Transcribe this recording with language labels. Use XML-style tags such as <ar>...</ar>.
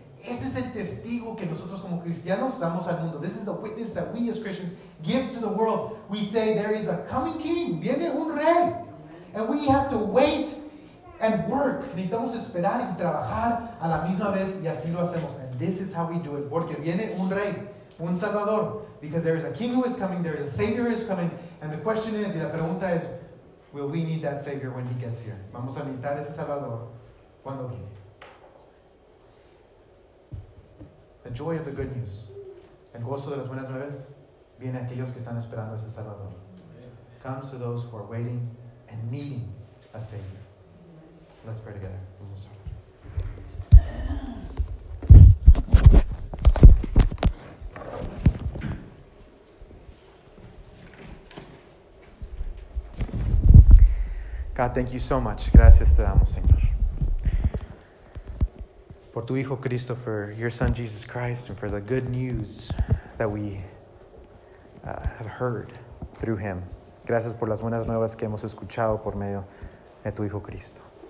<es>Este es el testigo que nosotros como cristianos damos al mundo.</es> <en>This is the witness that we as Christians give to the world. We say there is a coming king.</en> <es>Viene un rey.</es> <en>And we have to wait and work.</en> <es>Necesitamos esperar y trabajar a la misma vez, y así lo hacemos.</es> <en>And this is how we do it.</en> <es>Porque viene un rey, un salvador.</es> <en>Because there is a king who is coming, there is a savior who is coming. And the question is,</en> <es>y la pregunta es,</es> <en>will we need that savior when he gets here?</en> <es>Vamos a necesitar ese salvador cuando viene.</es> <en>The joy of the good news.</en> <es>El gozo de las buenas nuevas viene a aquellos que están esperando a ese Salvador.</es> <en>Comes to those who are waiting and needing a Savior. Let's pray together.</en> <es>Vamos a orar.</es> <en>God, thank you so much.</en> <es>Gracias te damos, Señor. Por tu Hijo Cristo,</es> <en>for your Son Jesus Christ, and for the good news that we have heard through Him.</en> <es>Gracias por las buenas nuevas que hemos escuchado por medio de tu Hijo Cristo.</es>